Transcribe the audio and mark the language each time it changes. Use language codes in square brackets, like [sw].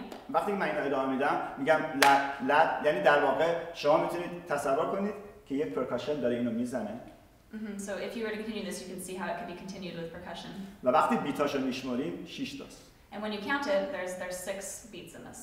[fa] وقتی من اینو ادامه میدم میگم لا لا، یعنی در واقع شما میتونید تصور کنید که یک پرکاشن داره اینو میزنه. Mm-hmm. [en] So if you were to continue this, you can see how it could be continued with percussion. [fa] و وقتی بیتاشو میشماریم 6 تاست. [en] And when you count it, there's 6 beats in this.